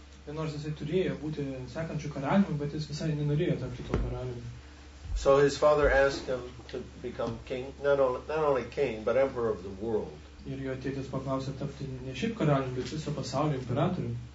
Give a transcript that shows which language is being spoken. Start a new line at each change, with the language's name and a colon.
Lithuanian: Nors jis turėjo būti sekančiu karaliumi, bet jis visai nenorėjo tapti tuo karaliumi.
English: So his father asked him to become king, not only king, but emperor of the world.
Lithuanian: Ir jo tėtis paklausė tapti ne šiaip karaliumi, bet viso pasaulio imperatoriumi.